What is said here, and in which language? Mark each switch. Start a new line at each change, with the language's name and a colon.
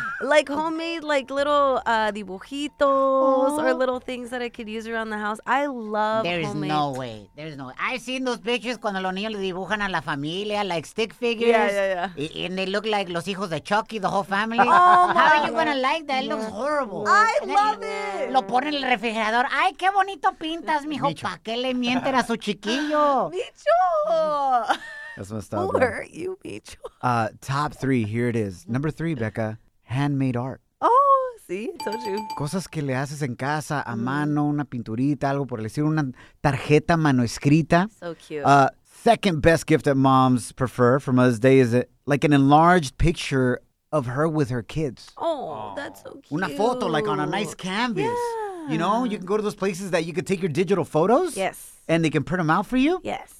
English: Like homemade, like little dibujitos or little things that I could use around the house. I love There's homemade. No way. There's no way. I've seen those pictures
Spanish: cuando los niños le dibujan a la familia,
English: like stick figures. Yeah. And they look like
Spanish: los hijos de Chucky,
English: the whole family. Oh, my How are you going to like that? It looks horrible. I and love it.
Spanish: Lo ponen en el refrigerador. Ay, qué bonito pintas, mijo. Micho. ¿Para qué le mienten a su chiquillo? Micho.
English: That's messed up. Who hurt you, Micho? Top three. Here it is. Number three, Becca. Handmade art. Oh, sí, told you.
Spanish: Cosas que le haces en casa a mano, una pinturita, algo por decir, una tarjeta manuscrita.
English: So cute. Second best gift that moms prefer for Mother's Day is like an enlarged picture of her with her kids. Oh, that's so cute.
Spanish: Una foto,
English: like on a nice canvas. Yeah. You know, you can go to those places that you could take your digital photos. Yes. And they can print them out for you. Yes.